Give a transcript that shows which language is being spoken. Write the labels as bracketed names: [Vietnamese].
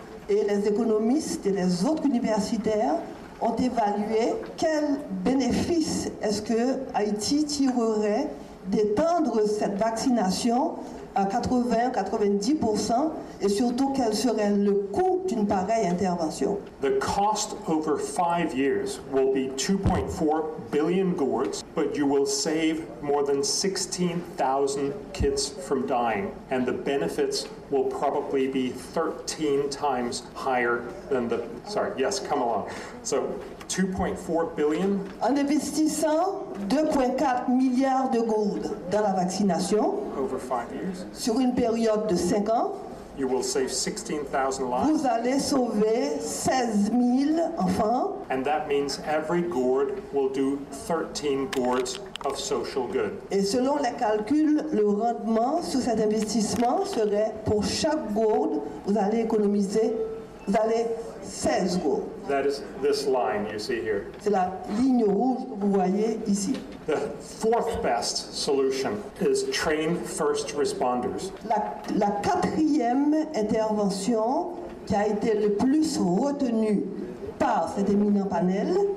[French] Et les économistes et les autres universitaires ont évalué quels bénéfices est-ce que Haïti tirerait d'étendre cette vaccination à 80-90% et surtout quel serait le coût d'une pareille intervention. [English] The cost over 5 years will be 2.4 billion gourdes, but you will save more than 16,000 kids from dying and the benefits will probably be 13 times higher than the So 2.4 billion [French] en investissant 2.4 milliards de gourdes dans la vaccination [English] over 5 years [French] sur une période de 5 ans [English] you will save 16,000 lives. [French] Vous allez sauver 16,000 enfants [English] and that means every gourd will do 13 gourds of social good [French] et selon les calculs le rendement sur cet investissement serait pour chaque gourde vous allez économiser vous allez 16 gourdes. [English] That is this line you see here. [French] C'est la ligne rouge que vous voyez ici. [English] The fourth best solution is train first responders. [French] La quatrième intervention qui a été le plus retenue par cet éminent panel.